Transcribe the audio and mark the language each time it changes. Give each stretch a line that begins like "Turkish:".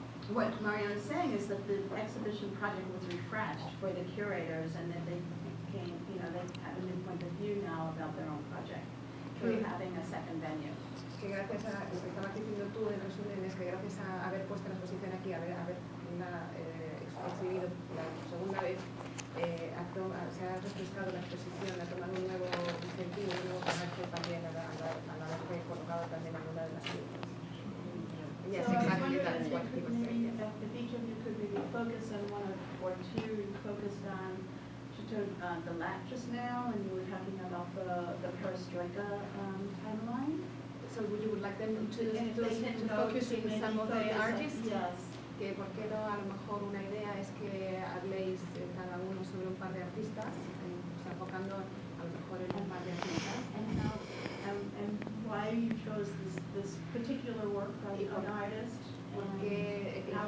English: What Mariana is saying is that the exhibition project was refreshed for the curators, and that they became, you know, they have a new point of view now about their own project through having a second venue.
Spanish: Que gracias a lo que estabas diciendo tú en resumen es que gracias a haber puesto la exposición aquí, haber exhibido la segunda vez, se ha refrescado la exposición, ha tomado un nuevo sentido, un nuevo carácter también a la vez que he colocado también en una de las piezas.
English: Yes, so exactly. I was wondering if you could maybe, if each of you could maybe focus on one of, or two, you focused on the latch just now, and you were talking about the perestroika timeline. So would you like them to focus on some of the artists? Yes.
Spanish: Que por qué no, a lo mejor una idea es que habléis cada uno sobre un par de artistas, enfocando a lo mejor en un par de artistas.
English: And why you chose this particular work from an artist, and how